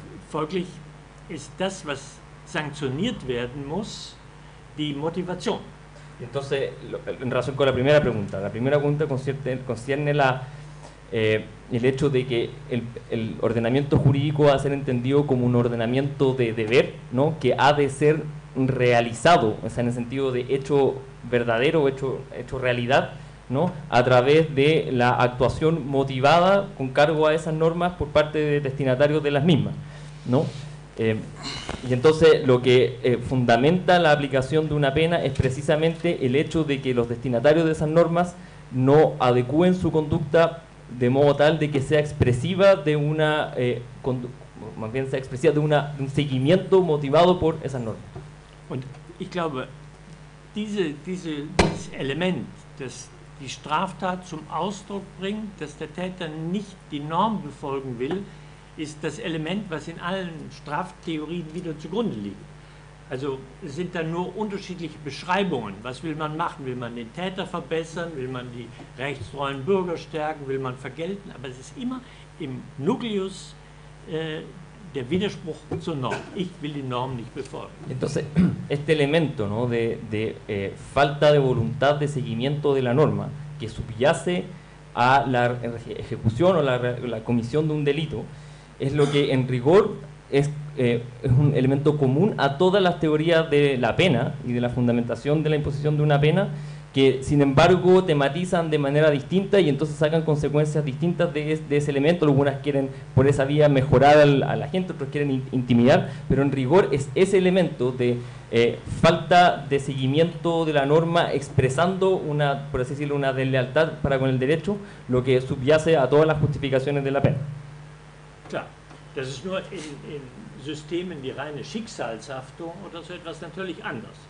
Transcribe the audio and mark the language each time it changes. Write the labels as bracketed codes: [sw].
[de] Folglich ist das, was sanktioniert werden muss, die Motivation. [es] Entonces, en relación con la primera pregunta concierne el hecho de que el ordenamiento jurídico va a ser entendido como un ordenamiento de deber, ¿no?, que ha de ser realizado, o sea, en el sentido de hecho verdadero, hecho realidad, ¿no? A través de la actuación motivada con cargo a esas normas por parte de destinatarios de las mismas, ¿no? Y entonces lo que fundamenta la aplicación de una pena es precisamente el hecho de que los destinatarios de esas normas no adecúen su conducta de modo tal de que sea expresiva de una más bien sea expresiva de una un seguimiento motivado por esas normas. [de] Ich glaube, dieses Element, dass die Straftat zum Ausdruck bringt, dass der Täter nicht die Norm befolgen will, ist das Element, was in allen Straftheorien wieder zugrunde liegt. Also es sind dann nur unterschiedliche Beschreibungen. Was will man machen? Will man den Täter verbessern? Will man die rechtstreuen Bürger stärken? Will man vergelten? Aber es ist immer im Nucleus der Widerspruch zur Norm. Ich will die Norm nicht befolgen. [es] Entonces, este elemento, ¿no? de falta de voluntad de seguimiento de la norma, que subyace a la ejecución o la comisión de un delito, es lo que en rigor es un elemento común a todas las teorías de la pena y de la fundamentación de la imposición de una pena, que sin embargo tematizan de manera distinta y entonces sacan consecuencias distintas de ese elemento. Algunas quieren por esa vía mejorar a la gente, otros quieren intimidar, pero en rigor es ese elemento de falta de seguimiento de la norma expresando una, por así decirlo, una deslealtad para con el derecho, lo que subyace a todas las justificaciones de la pena. [de] Klar, das ist nur in Systemen die reine Schicksalshaftung oder so etwas natürlich anders.